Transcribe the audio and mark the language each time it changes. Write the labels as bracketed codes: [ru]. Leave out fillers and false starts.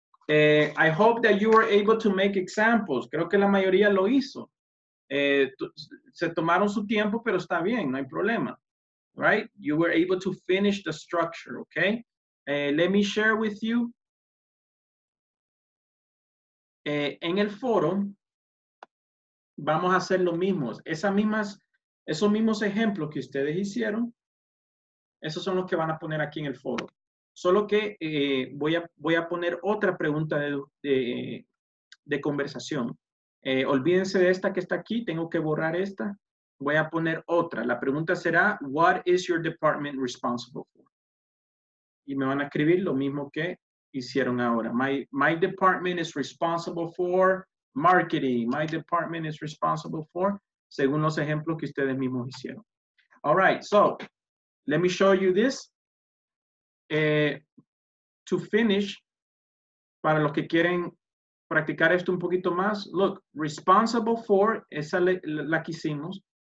[en] I hope that you were able to make examples. [es] Creo que la mayoría lo hizo. Se tomaron su tiempo, pero está bien, no hay problema. [en] All right, you were able to finish the structure, okay? Let me share with you [es] en el foro vamos a hacer lo mismo. Esos mismos ejemplos que ustedes hicieron, esos son los que van a poner aquí en el foro. Solo que voy a poner otra pregunta de conversación. Olvídense de esta que está aquí, tengo que borrar esta. Voy a poner otra. La pregunta será, [en] what is your department responsible for? [es] Y me van a escribir lo mismo que hicieron ahora. [en] My department is responsible for marketing. My department is responsible for, [es] según los ejemplos que ustedes mismos hicieron. [en] All right, so let me show you this. To finish, [es] para los que quieren practicar esto un poquito más, [en] look, [es] responsible for, esa la que hicimos.